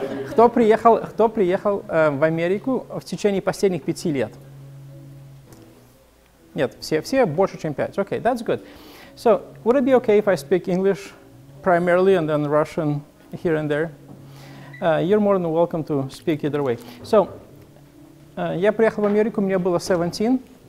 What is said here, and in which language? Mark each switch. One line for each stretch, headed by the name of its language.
Russian: Кто приехал в Америку в течение последних 5 лет? Нет, все больше, чем 5.
English: Okay, that's good. So, would it be okay if I speak English primarily and then Russian here and there? You're more than welcome to speak either way.
Russian: So, я приехал в Америку, мне было 17.